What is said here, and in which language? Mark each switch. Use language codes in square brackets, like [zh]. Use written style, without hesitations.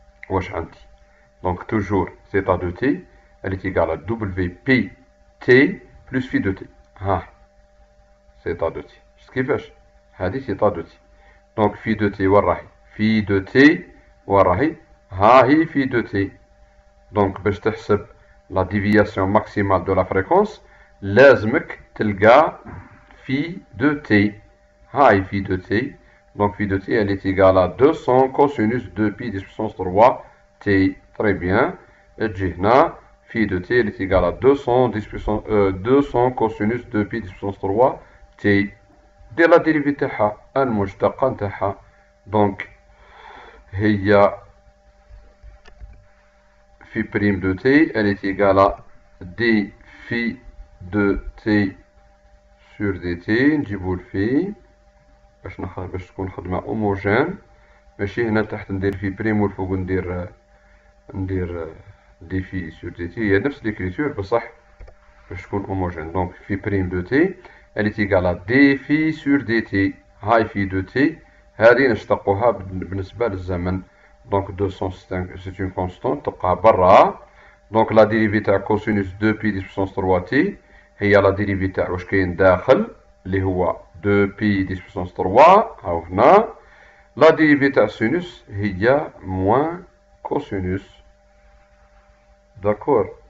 [ar] واش عندي؟ دونك [fr] توجور زيتا دو تي [ar] اللي تيكال دبليو بي تي بلس في دو تي. ها زيتا دو تي، شفت كيفاش؟ هادي زيتا دو تي، دونك في دو تي وين راهي؟ في دو تي وين راهي؟ ها هي في دو تي. دونك باش تحسب [fr] la déviation maximale de la fréquence, [ar] لازمك تلقى [fr] phi de t. هاي phi de t. Donc phi de t elle est égale à 200 cosinus 2 pi 10 puissance 3 t. Très bien. Et j'ai là phi de t elle est égale à 200 cosinus 2 pi 10 puissance 3 t. Dès la dérivée [ar] تاعها المشتقة تاعها. [fr] Donc هي phi prime de t elle est égale à d phi de t sur dt. Je vous le fais [ar] باش نخرج باش تكون خدمه هوموجين. ماشي هنا تحت ندير في بريم والفوق ندير [fr] d phi sur dt، [ar] هي نفس ليكريتور بصح باش تكون هوموجين. دونك في بريم دو تي [fr] elle est égale à d phi sur dt [ar] هاي في دو تي، هذه نشتقوها بالنسبه للزمن. [fr] Donc 200 c'est une constante. Donc la dérivée de cosinus 2 pi 10 puissance 3 t est la dérivée de ce qui est dans le 2 pi 10 puissance 3. La dérivée de sinus est moins cosinus. D'accord.